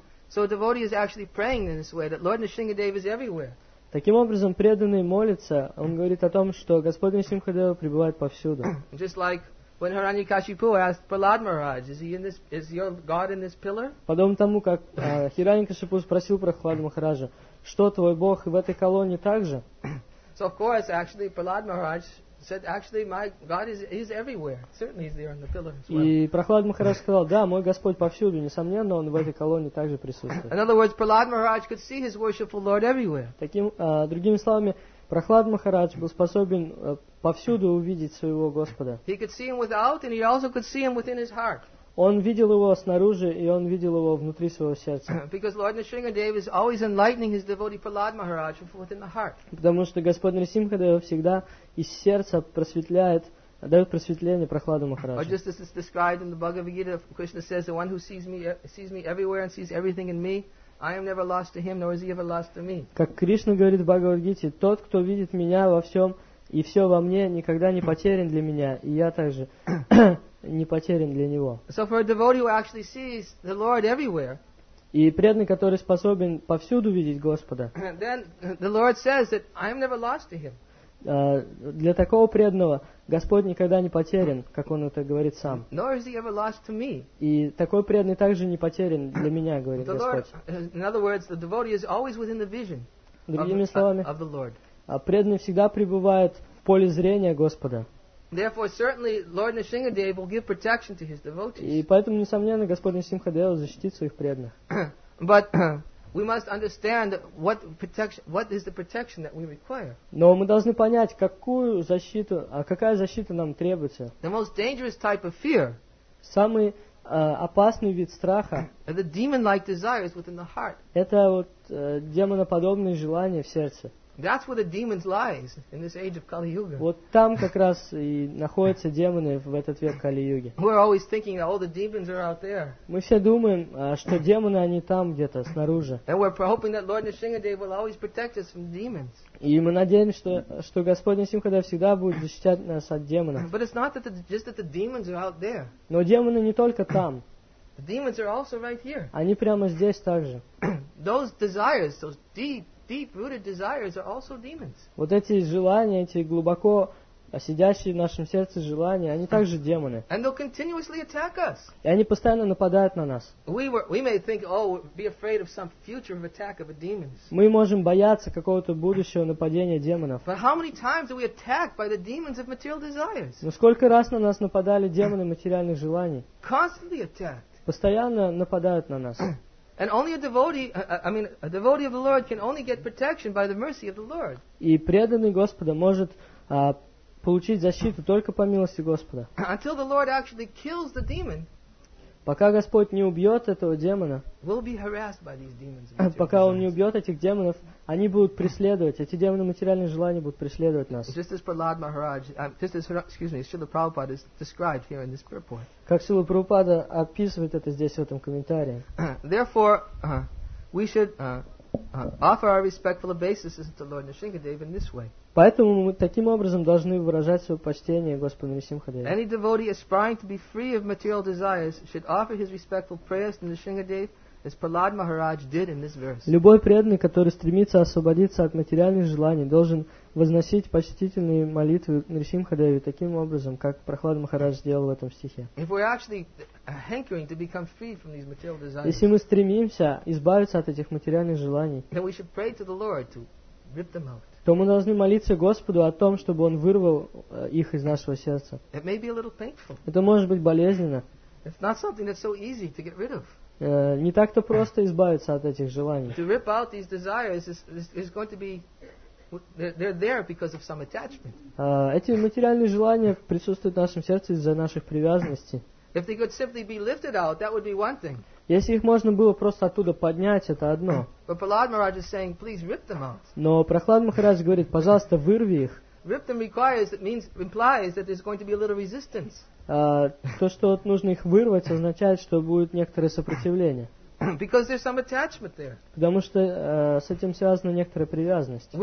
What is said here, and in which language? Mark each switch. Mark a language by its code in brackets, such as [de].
[en] So a devotee is actually praying in this way that Lord Nrisimhadev is everywhere. [ru] Таким образом, преданный молится, он говорит о том, что Господь Нрисимхадева пребывает повсюду. [en] Just like when Hiranyakashipu asked Prahlad Maharaj, is your God in this pillar? [ru] Подобно тому, как Хираньякашипу спросил Прохлада Махараджа, что твой Бог в этой колонне также? [en] So of course, actually, Prahlad Maharaj said, actually, my God is everywhere. Certainly, he's there on the pillar as well. [ru] И Прохлад Махарадж сказал: да, мой Господь повсюду, несомненно, он в этой колонне также присутствует. [en] In other words, Prahlad Maharaj could see his worshipful Lord everywhere. [ru] Таким, другими словами, Прохлад Махарадж был способен повсюду увидеть своего Господа. [en] He could see him without, and he also could see him within his heart. [ru] Он видел его снаружи, и он видел его внутри своего сердца. [en] Because Lord Nrisimhadev is always enlightening his devotee Prahlad Maharaj within the heart. [ru] Потому что Господь Нрисимхадев всегда из сердца просветляет, дает просветление Прохладу Махараджу. [en] Or just as it's described in the Bhagavad-gita, Krishna says, the one who sees me everywhere and sees everything in me, I am never lost to him, nor is he ever lost to me. [ru] Как Кришна говорит в Бхагавад-гите, тот, кто видит меня во всем и все во мне, никогда не потерян для меня, и я также не потерян для него. [en] So for a devotee who actually sees the Lord everywhere, [ru] и преданный, который способен повсюду видеть Господа, [en] then the Lord says that I am never lost to him. [ru] Для такого преданного Господь никогда не потерян, как он это говорит сам. [en] Nor is he ever lost to me. [ru] И такой преданный также не потерян для меня, говорит [en] the [ru] Господь. [en] Lord, in other words, the devotee is always within the vision of the Lord. [ru] Преданный всегда пребывает в поле зрения Господа. [en] Therefore, certainly, Lord Nrisimhadev will give protection to his devotees. [ru] И поэтому, несомненно, Господь Нрисимхадев защитит своих преданных. [en] But we must understand what is the protection that we require. [ru] Но мы должны понять, какую защиту, какая защита нам требуется. [en] The most dangerous type of fear. [ru] Самый опасный вид страха. [en] The demon-like desire is within the heart. [ru] Это вот демоноподобные желания в сердце. [en] That's where the demons lies in this age of Kali Yuga. [ru] Вот там как раз и находятся демоны в этот век Кали-Юги. [en] We're always thinking that all the demons are out there. [ru] Мы все думаем, что демоны они там где-то снаружи. [en] And we're hoping that Lord Nrisimhadev will always protect us from demons. [ru] И мы надеемся, что Господь Нрисимхадев всегда будет защищать нас от демонов. [en] But it's not just that the demons are out there. [ru] Но демоны не только там. [en] The demons are also right here. [ru] Они прямо здесь также. [en] Those desires, those deep-rooted desires are also demons. [ru] Вот эти желания, эти глубоко сидящие в нашем сердце желания, они также демоны. [en] And they'll continuously attack us. [ru] И они постоянно нападают на нас. [en] We may think, oh, be afraid of some future attack of a demon. [ru] Мы можем бояться какого-то будущего нападения демонов. [en] But how many times are we attacked by the demons of material desires? [ru] Но сколько раз на нас нападали демоны материальных желаний? [en] Constantly attacked. [ru] Постоянно нападают на нас. [en] And only a devotee of the Lord can only get protection by the mercy of the Lord. [ru] И преданный Господа может получить защиту только по милости Господа. [en] Until the Lord actually kills the demon. [ru] Пока Господь не убьет этого демона. [en] We'll be harassed by these demons. [ru] Пока он не убьет этих демонов, они будут преследовать. Эти демоны материальных желаний будут преследовать нас. [en] Just as Prahlad Maharaj, Srila Prabhupada is described here in this purport. [ru] Как Шрила Прабхупада описывает это здесь в этом комментарии. [en] Therefore, we should offer our respectful obeisances to Lord Nrisimhadev in this way. [ru] Поэтому мы таким образом должны выражать свое почтение Господу Нрисимхадеве. [en] Any devotee aspiring to be free of material desires should offer his respectful prayers to Nrisimhadev, as Prahlad Maharaj did in this verse. [ru] Любой преданный, который стремится освободиться от материальных желаний, должен возносить почтительные молитвы Нрисимхадеве таким образом, как Прахлад Махарадж сделал в этом стихе. [en] If we're actually hankering to become free from these material desires, [ru] если мы стремимся избавиться от этих материальных желаний, [en] then we should pray to the Lord to rip them out. [ru] То мы должны молиться Господу о том, чтобы Он вырвал их из нашего сердца. [en] It may be a little painful. [ru] Это может быть болезненно. [en] It's not something that's so easy to get rid of. [ru] Не так-то просто избавиться от этих желаний. [en] To rip out these desires is going to be they're there because of some attachment. [ru] Эти материальные желания присутствуют в нашем сердце из-за наших привязанностей. [en] If they could simply be lifted out, that would be one thing. [ru] Если их можно было просто оттуда поднять, это одно. [en] But Prahlad Maharaj is saying, please rip them out. [ru] Но Прахлад Махарадж говорит, пожалуйста, вырви их. [en] Rip them requires, it means, implies that there's going to be a little resistance. [ru] То, что вот нужно их вырвать, означает, что будет некоторое сопротивление. [en] Because there's some attachment there. [ru] Потому что с этим связана некоторая привязанность.